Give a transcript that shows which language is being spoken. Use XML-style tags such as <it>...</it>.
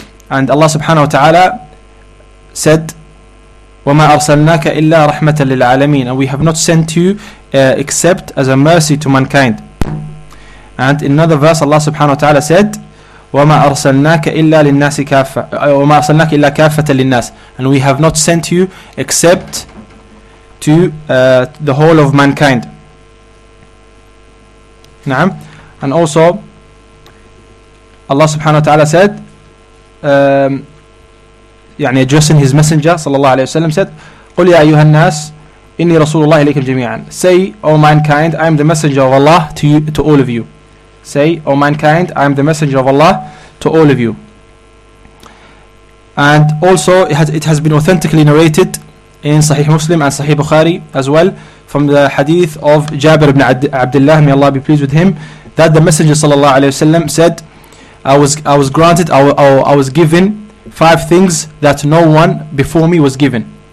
<en>And Allah subhanahu wa ta'ala said,</en> <ar>وَمَا أَرْسَلْنَاكَ إِلَّا رَحْمَةً لِلْعَالَمِينَ,</ar> <en>and we have not sent you except as a mercy to mankind. And in another verse Allah subhanahu wa ta'ala said,</en> <ar>وَمَا أَرْسَلْنَاكَ إِلَّا لِلنَّاسِ كَافَةً, وَمَا أَرْسَلْنَاكَ إِلَّا كَافَةً لِلنَّاسِ,</ar> <en>and we have not sent you except to the whole of mankind.</en> <ar>نعم.</ar> <en>And also Allah subhanahu wa ta'ala said, يعني addressing his messenger</en> <ar>صلى الله عليه وسلم,</ar> <en>said,</en> <ar>قل يا أيها الناس إني رسول الله إليكم جميعا.</ar> <en>Say, O mankind, I am the messenger of Allah to all of you. Say, O mankind, I am the messenger of Allah to all of you. And also it has been authentically narrated in Sahih Muslim and Sahih Bukhari as well, from the hadith of Jabir ibn Abdullah, may Allah be pleased with him, that the messenger</en> <ar>صلى الله عليه وسلم</ar> <en>said, I was given 5 things that no one before me was given.</en>